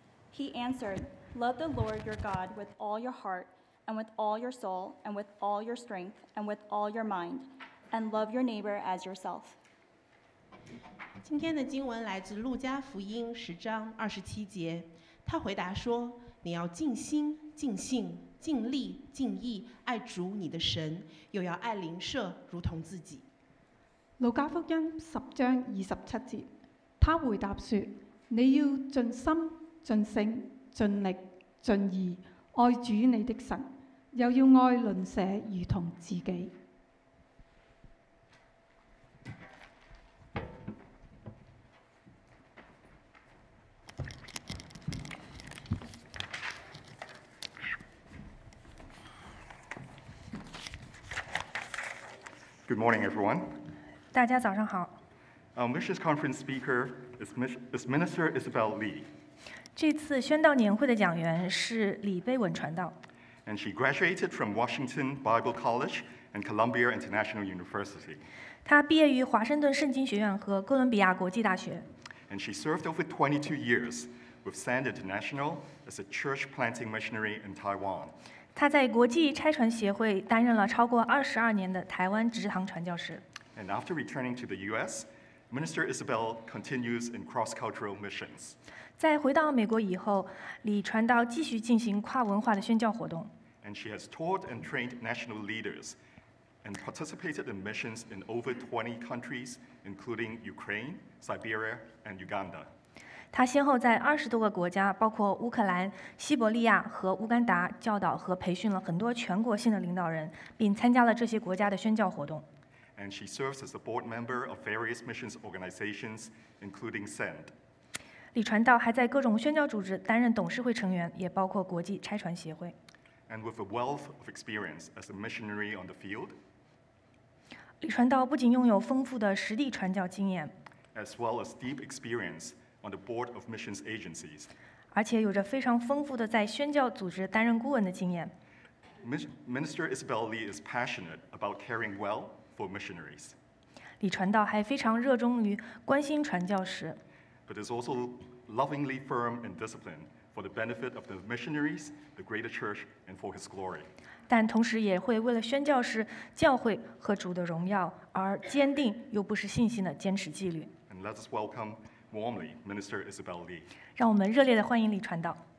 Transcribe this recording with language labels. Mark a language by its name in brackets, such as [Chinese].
[English] He answered, "Love the Lord your God with all your heart and with all your soul and with all your strength and with all your mind, and love your neighbor as yourself." [Chinese] 今天的经文来自路加福音十章二十七节。他回答说，你要尽心、尽性、尽力、尽意爱主你的神，又要爱邻舍如同自己。路加福音十章二十七节，他回答说，你要尽心、尽性、尽力、尽意爱主你的神，又要爱邻舍如同自己。 [English] Good morning, everyone. [Chinese] 大家早上好。 [English] This conference speaker is Minister Isabel Lee. [Chinese] 这次宣道年会的讲员是李贝文传道。 [English] And she graduated from Washington Bible College and Columbia International University. [Chinese] 她毕业于华盛顿圣经学院和哥伦比亚国际大学。 [English] And she served over 22 years with SAND International as a church planting missionary in Taiwan. [Chinese] 他在国际拆船协会担任了超过二十二年的台湾职堂传教士。 [English] And after returning to the U.S., Minister Isabel continues in cross-cultural missions. [Chinese] 在回到美国以后，李传道继续进行跨文化的宣教活动。 [English] And she has taught and trained national leaders, and participated in missions in over 20 countries, including Ukraine, Siberia, and Uganda. [Chinese] 他先后在二十多个国家，包括乌克兰、西伯利亚和乌干达，教导和培训了很多全国性的领导人，并参加了这些国家的宣教活动。 [English] And she serves as a board member of various missions organizations, including SAND. [Chinese] 李传道还在各种宣教组织担任董事会成员，也包括国际拆船协会。 [English] And with a wealth of experience as a missionary on the field. [Chinese] 李传道不仅拥有丰富的实地传教经验 [English] ，as well as deep experience. On the board of missions agencies, [Chinese] 而且有着非常丰富的在宣教组织担任顾问的经验。 [English] Minister Isabel Lee is passionate about caring well for missionaries. [Chinese] 李传道还非常热衷于关心传教士。 [English] But is also lovingly firm and disciplined for the benefit of the missionaries, the greater church, and for His glory. [Chinese] 但同时也会为了宣教士、教会和主的荣耀而坚定又不失信心的坚持纪律。 [English] And let us welcome. Warmly, Minister Isabel Lee. [Chinese] 让我们热烈地欢迎李传道。